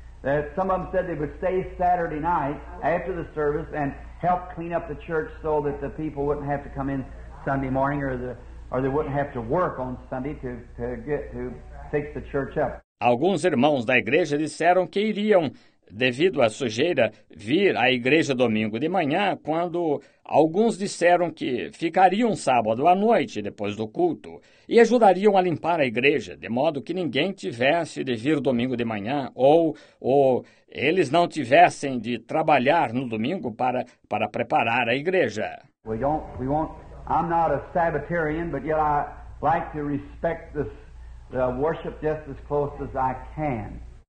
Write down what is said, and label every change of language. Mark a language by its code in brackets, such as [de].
[en] That some of them said they would stay Saturday night after the service and help clean up the church so that the people wouldn't have to come in Sunday morning or they wouldn't have to work on Sunday to fix the church up. [pt] Alguns irmãos da igreja disseram que iriam, devido à sujeira, vir à igreja domingo de manhã, quando alguns disseram que ficariam sábado à noite, depois do culto, e ajudariam a limpar a igreja, de modo que ninguém tivesse de vir domingo de manhã, ou eles não tivessem de trabalhar no domingo para preparar a igreja. [en] I'm not a Sabbatarian, but yet I like to respect the worship just as close as I can.